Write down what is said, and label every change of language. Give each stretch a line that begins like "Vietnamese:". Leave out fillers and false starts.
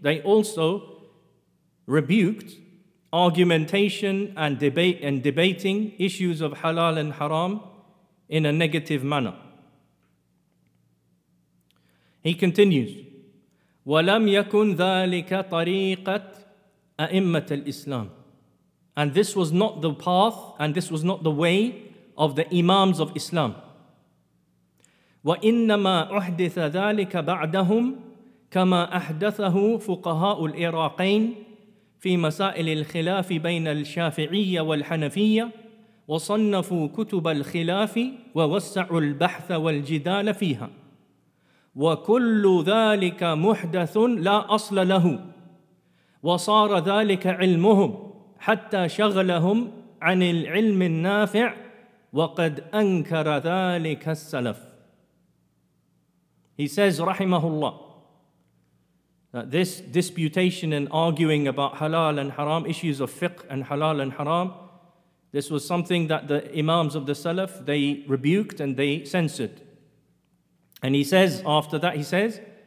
English: They also rebuked argumentation and debate and debating issues of halal and haram in a negative manner. He continues,
Arabic: وَلَمْ يَكُنْ ذَٰلِكَ طَرِيقَةً أئمّة الإسلام.
English: And this was not the path and this was not the way of the Imams of Islam.
Arabic: وإنما أحدث ذلك بعدهم كما أحدثه فقهاء العراقين في مسائل الخلاف بين الشافعية والحنفية وصنفوا كتب الخلاف ووسعوا البحث والجدال فيها وكل ذلك محدث لا أصل له وصار ذلك علمهم حتى شغلهم عن العلم النافع وقد أنكر ذلك السلف.
English: He says, rahimahullah, that this disputation and arguing about halal and haram, issues of fiqh and halal and haram, this was something that the imams of the Salaf, they rebuked and they censored. And he says, after that, he says,